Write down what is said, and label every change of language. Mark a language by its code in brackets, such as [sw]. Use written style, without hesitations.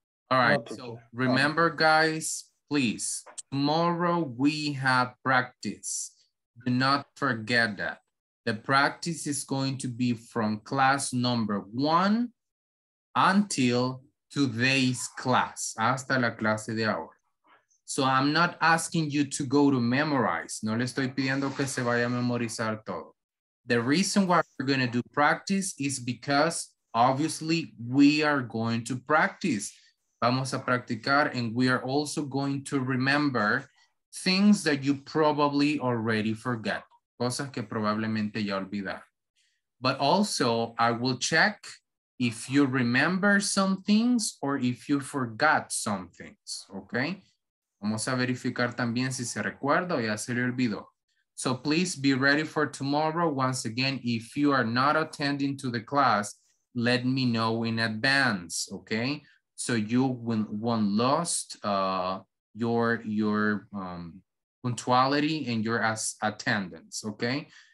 [en] All right. So remember, guys, please, tomorrow we have practice. Do not forget that. The practice is going to be from class number one until today's class, [es] hasta la clase de ahora. [en] So I'm not asking you to go to memorize. [es] No le estoy pidiendo que se vaya a memorizar todo. [en] The reason why we're going to do practice is because obviously we are going to practice. [es] Vamos a practicar, [en] and we are also going to remember things that you probably already forget. [es] Cosas que probablemente ya olvidar. [en] But also, I will check if you remember some things or if you forgot some things, okay? [es] Vamos a verificar también si se recuerda o ya se le olvidó. [en] So please be ready for tomorrow. Once again, if you are not attending to the class, let me know in advance, okay? So you won't lost your punctuality and your attendance, okay?